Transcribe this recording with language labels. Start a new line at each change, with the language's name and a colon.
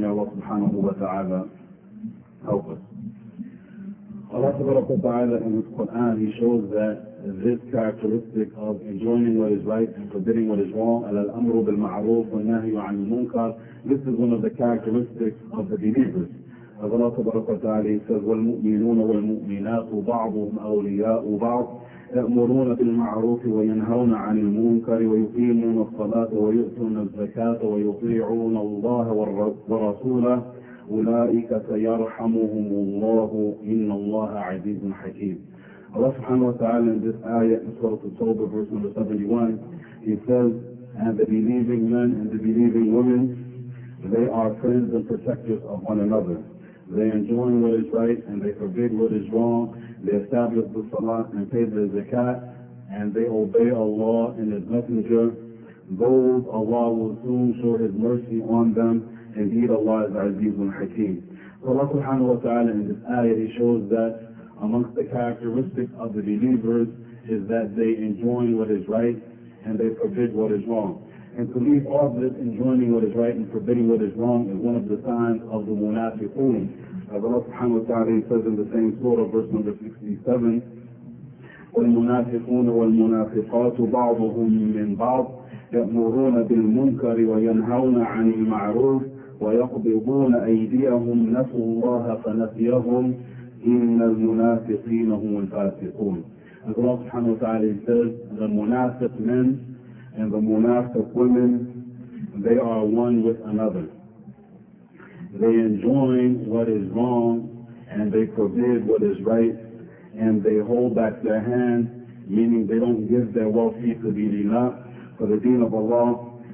English: May Allah subhanahu wa ta'ala help us. Allah subhanahu wa ta'ala in His Quran, He shows that this characteristic of enjoining what is right and forbidding what is wrong, al-amru bil-ma'roof wa nahyu 'anil munkar, this is one of the characteristics of the believers. As Allah subhanahu wa ta'ala says,
Arabic: وَالْمُؤْمِنُونَ وَالْمُؤْمِنَاتُ بَعْضُهُمْ أَوْلِيَاءُ بَعْضٍ يَأْمُرُونَ بِالْمَعْرُوفِ وَيَنْهَوْنَ عَنِ الْمُنكَرِ وَيُقِيمُونَ الصَّلَاةَ وَيُؤْتُونَ الزَّكَاةَ وَيُطِيعُونَ اللَّهَ وَرَسُولَهُ أولئك سيرحمهم الله إن الله عزيز حكيم.
English: Allah subhanahu wa ta'ala in this ayah in Surah Al-Tawbah verse number 71, He says, and the believing men and the believing women, they are friends and protectors of one another. They enjoin what is right and they forbid what is wrong. They establish the salah and pay the zakat, and they obey Allah and His Messenger. bold, Allah will soon show His mercy on them. Indeed, Allah is Azizun Hakim. So Allah subhanahu wa ta'ala in this ayah, He shows that amongst the characteristics of the believers is that they enjoin what is right and they forbid what is wrong. And to leave all this enjoining what is right and forbidding what is wrong is one of the signs of the munafiqun. As Allah subhanahu wa ta'ala says in the same surah, verse number 67,
Arabic: وَالْمُنَافِقُونَ وَالْمُنَافِقَاتُ بَعْضُهُمْ مِنْ بَعْضٍ يَأْمُرُونَ بِالْمُنْكَرِ وَيَنْهَوْنَ عَنِ الْمَعْرُوفِ وَيَقْبِضُونَ أَيْدِيَهُمْ نَسُوا اللَّهَ فَنَسِيَهُمْ إِنَّ الْمُنَافِقِينَ هُمُ الْفَاسِقُونَ.
English: As Allah subhanahu wa ta'ala says, the munafiq men and the munafiq women, they are one with another. They enjoin what is wrong and they forbid what is right, and they hold back their hands, meaning they don't give their wealth to the dinah, for the deen of Allah.